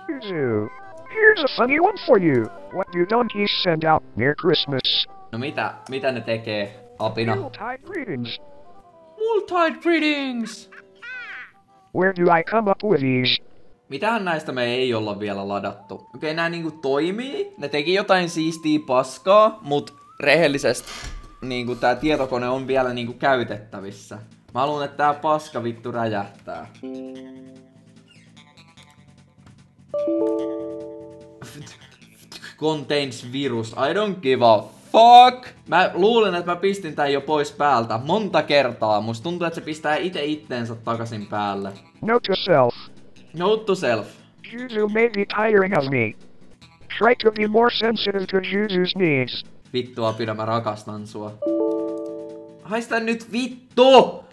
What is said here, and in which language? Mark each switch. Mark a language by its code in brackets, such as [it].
[en] Juzu, here's a funny one for you. What do donkeys send out near Christmas? [fi] No mita? Mitä ne tekee? Apina. [en] Multide greetings. Multide greetings. Where do I come up with these? [fi] Mitähän näistä me ei olla vielä ladattu. Okei, nää niinku toimii. Ne teki jotain siistii paskaa, mut rehellisesti niinku tää tietokone on vielä niinku käytettävissä. Mä haluun, että tää paska vittu räjähtää. [en] Contains virus. I don't give a fuck! [fi] Mä luulen, että mä pistin tän jo pois päältä monta kertaa. Musta tuntuu, että se pistää ite itteensä takaisin päälle. [en] Note to self. Note to self. Juzu may be tiring of me. Try to be more sensitive to Juzu's needs. [fi] Vittu apina, mä rakastan sua. Haista nyt vittu!